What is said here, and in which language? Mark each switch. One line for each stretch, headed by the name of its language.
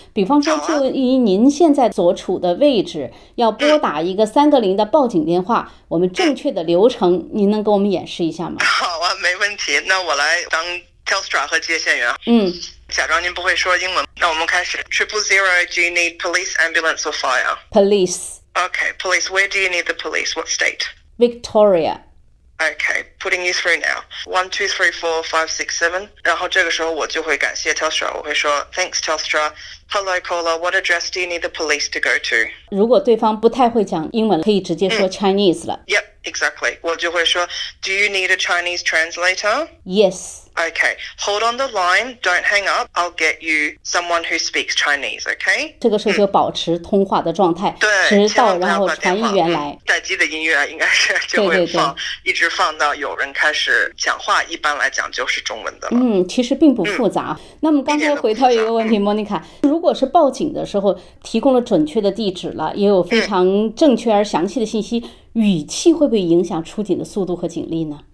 Chinese: 比方说就以您现在所处的位置，要拨打一个300的报警电话，我们正确的流程您能给我们演示一下吗？好啊，没问题。那我来当 Telstra 和接线员。假装您不会说英文，那我们开始。
English: 000, do you need police, ambulance or fire? Police. Okay, police. Where do you need the police? What state? Victoria. Okay, putting you through now. 1, 2, 3, 4, 5, 6, 7.
Chinese: 然后这个时候我就会感谢 Telstra, 我会说
English: Thanks Telstra. Hello caller, what address do you need the police to go to?
Chinese: 如果对方不太会讲英文，可以直接说 Chinese 了。
English: Yep, exactly.
Chinese: 我就会说
English: Do you need a Chinese translator? Yes. Okay, hold on the line, don't hang up, I'll get you someone who speaks Chinese, okay?
Chinese: 这个时候就保持通话的状态，对，直到然后传译员来。待机的音乐应该是就会放，一直放到有人开始讲话，一般来讲就是中文的了。其实并不复杂。那么刚才回到一个问题，莫妮卡，如果是报警的时候提供了准确的地址了，也有非常正确而详细的信息，语气会不会影响出警的速度和警力呢？